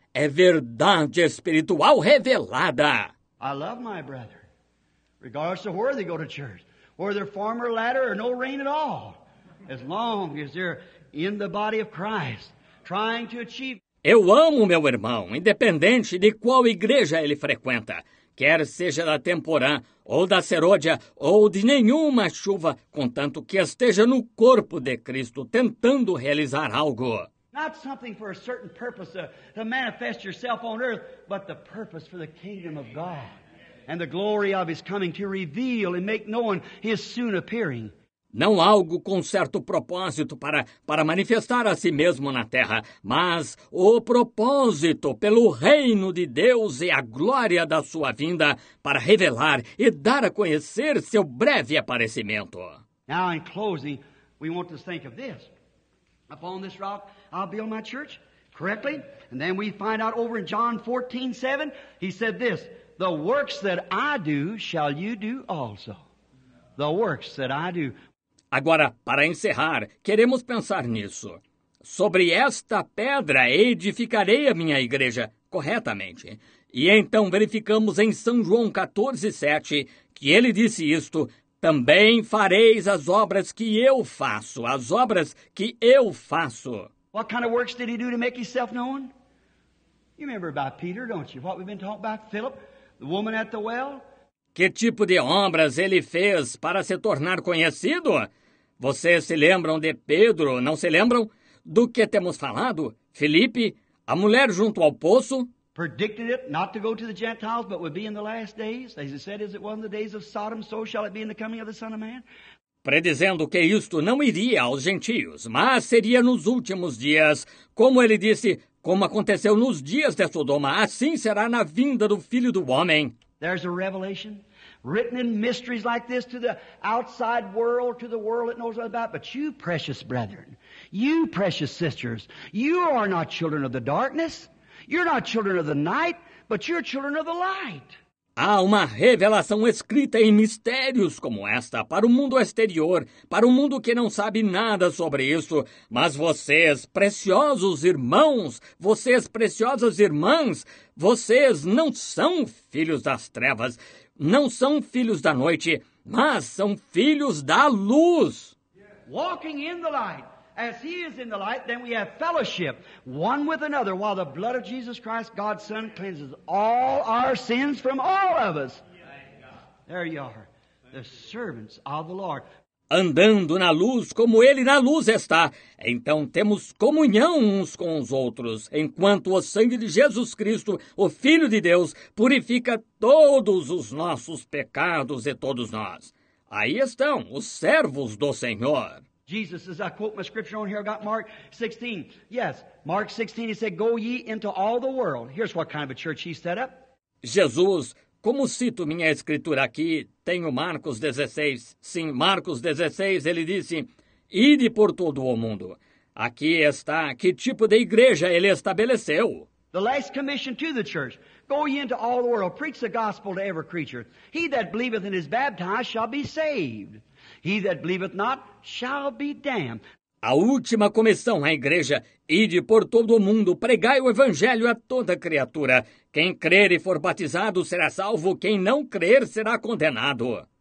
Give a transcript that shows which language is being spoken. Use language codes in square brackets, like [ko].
[pt] É verdade espiritual revelada. [en] I love my brother, regardless of where they go to church, or their former ladder, or no rain at all, as long as they're in the body of Christ, trying to achieve. [pt] Eu amo meu irmão, independente de qual igreja ele frequenta. Quer seja da Temporã, ou da Serodia, ou de nenhuma chuva, contanto que esteja no corpo de Cristo, tentando realizar algo. [en] Not something for a certain purpose to manifest yourself on earth, but the purpose for the kingdom of God and the glory of his coming to reveal and make known his soon appearing. [pt] não algo com certo propósito para manifestar a si mesmo na terra, mas o propósito pelo reino de Deus e a glória da sua vinda para revelar e dar a conhecer seu breve aparecimento. [en] Now, in closing, we want to think of this. Upon this rock, I'll build my church correctly. And then we find out over in John 14:7, he said this, the works that I do, shall you do also. The works that I do. [pt] Agora, para encerrar, queremos pensar nisso. Sobre esta pedra edificarei a minha igreja corretamente. E então verificamos em São João 14:7 que ele disse isto, também fareis as obras que eu faço, as obras que eu faço. [en] What kind of works did he do to make himself known? You remember about Peter, don't you? What we've been talking about, Philip, the woman at the well? [pt] Que tipo de obras ele fez para se tornar conhecido? Vocês se lembram de Pedro, não se lembram? Do que temos falado? Felipe, a mulher junto ao poço? [en] Predicted it not to go to the Gentiles, but would be in the last days. As he said, as it was in the days of Sodom, so shall it be in the coming of the Son of Man. [pt] Predizendo que isto não iria aos gentios, mas seria nos últimos dias, como ele disse, como aconteceu nos dias de Sodoma, assim será na vinda do Filho do Homem. [en] There's a revelation written in mysteries like this to the outside world, to the world that knows nothing about. But you, precious brethren, you, precious sisters, you are not children of the darkness. You're not children of the night, but you're children of the light. [pt] Há uma revelação escrita em mistérios como esta para o mundo exterior, para o mundo que não sabe nada sobre isso. Mas vocês, preciosos irmãos, vocês, preciosas irmãs, vocês não são filhos das trevas, não são filhos da noite, mas são filhos da luz. [en] Walking in the light. As he is in the light, then we have fellowship one with another, while the blood of Jesus Christ, God's Son, cleanses all our sins from all of us. There you are, the servants of the Lord. [pt] Andando na luz como ele na luz está, então temos comunhão uns com os outros, enquanto o sangue de Jesus Cristo, o Filho de Deus, purifica todos os nossos pecados e todos nós. Aí estão os servos do Senhor. [en] Jesus, as I quote my scripture on here, I got Mark 16. Yes, Mark 16, he said, go ye into all the world. Here's what kind of a church he set up. [pt] Jesus, como cito minha escritura aqui, tenho Marcos 16. Sim, Marcos 16, ele disse, ide por todo o mundo. Aqui está que tipo de igreja ele estabeleceu. [en] The last commission to the church. Go ye into all the world, preach the gospel to every creature. He that believeth and is baptized shall be saved. He that believeth not shall be damned. [pt] A última comissão à igreja, ide por todo o mundo, pregai o evangelho a toda criatura. Quem crer e for batizado será salvo, quem não crer será condenado.